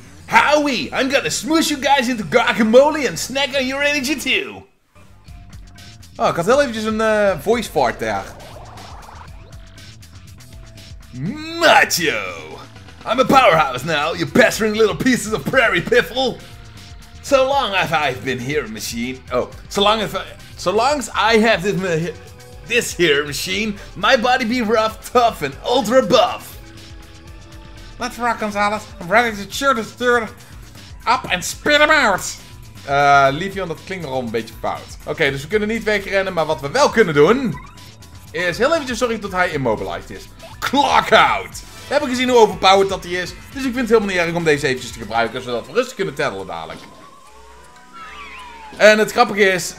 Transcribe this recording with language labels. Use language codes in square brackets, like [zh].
[en] Howie, I'm gonna smoosh you guys into guacamole and snack on your energy too. [nl] Oh, ik had heel eventjes een voice fart daar. [en] Macho! I'm a powerhouse now, you pestering little pieces of prairie piffle! So long as I've been here, machine... Oh, so long as I have this here machine, my body be rough, tough, and ultra buff! Let's rock, Gonzalez. I'm ready to cheer this dude up and spit him out! [nl] Livion, dat klinkt nogal een beetje fout. Oké, dus we kunnen niet wegrennen, maar wat we wel kunnen doen... is heel eventjes sorry dat hij immobilized is. [en] Clock out! [nl] We hebben gezien hoe overpowered dat hij is. Dus ik vind het helemaal niet erg om deze eventjes te gebruiken. Zodat we rustig kunnen tellen dadelijk. En het grappige is.